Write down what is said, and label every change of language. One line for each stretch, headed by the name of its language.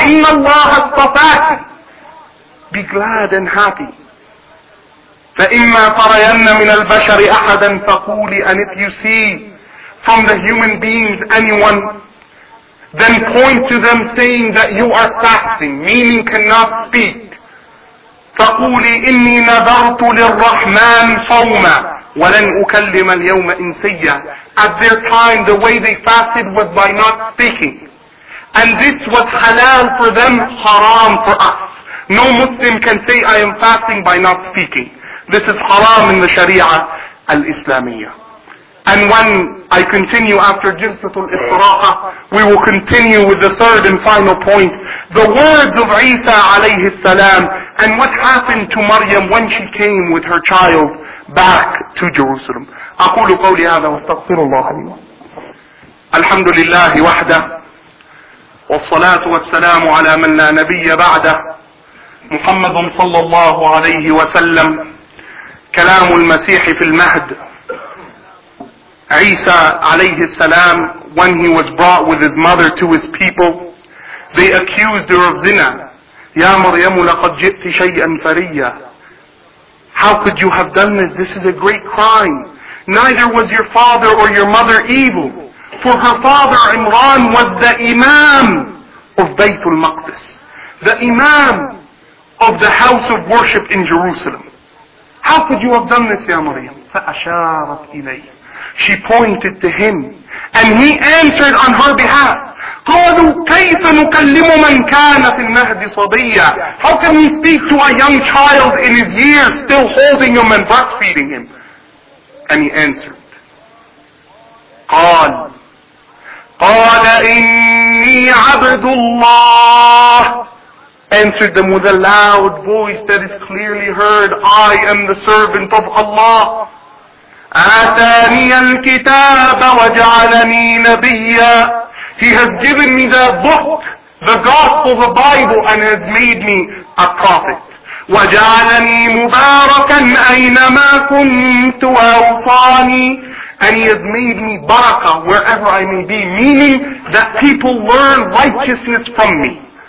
Arabic: إِنَّ اللَّهَ اصْطَفَاكِ.
English: Be glad and happy.
Arabic: فَإِمَّا تَرَيَنَّ مِنَ الْبَشَرِ أَحَدًا فَقُولِ.
English: And if you see from the human beings anyone, then point to them saying that you are fasting, meaning cannot speak.
Arabic: فقولي إني نذرت للرحمن صوما ولن أكلم اليوم إنسيا.
English: At their time, the way they fasted was by not speaking. And this was halal for them, haram for us. No Muslim can say, I am fasting by not speaking. This is haram in the Sharia al-Islamiyya. And when I continue after Jilsat al-Israqa, we will continue with the third and final point. The words of Isa alayhi salam, and what happened to Maryam when she came with her child back to Jerusalem.
Arabic: أقول قولي هذا واستغفر الله لي. الحمد لله وحده والصلاة والسلام على من لا نبي بعده محمد صلى الله عليه وسلم. كلام المسيح في المهد. عيسى عليه السلام,
English: when he was brought with his mother to his people, they accused her of zina.
Arabic: يا مريم لقد جئت شيئا فريا.
English: How could you have done this? This is a great crime. Neither was your father or your mother evil. For her father Imran was the Imam of Bayt al-Maqdis. The Imam of the house of worship in Jerusalem. How could you have done this, ya Maryam?
Arabic: فَأَشَارَتْ إِلَيْهِ.
English: She pointed to him. And he answered on her behalf.
Arabic: قَالُوا كَيْفَ نُكَلِّمُ مَنْ كَانَ فِي الْمَهْدِ صَبِيًّا.
English: How can we speak to a young child in his years, still holding him and breastfeeding him? And he answered.
Arabic: قَالَ إِنِّي عَبْدُ اللَّهِ.
English: Answered them with a loud voice that is clearly heard. I am the servant of Allah.
Arabic: آتاني الكتاب وجعلني نبيا.
English: He has given me the book, the gospel, the Bible, and has made me a prophet.
Arabic: وجعلني مباركا أينما كنت وأوصاني.
English: And he has made me baraka wherever I may be, meaning that people learn righteousness from me.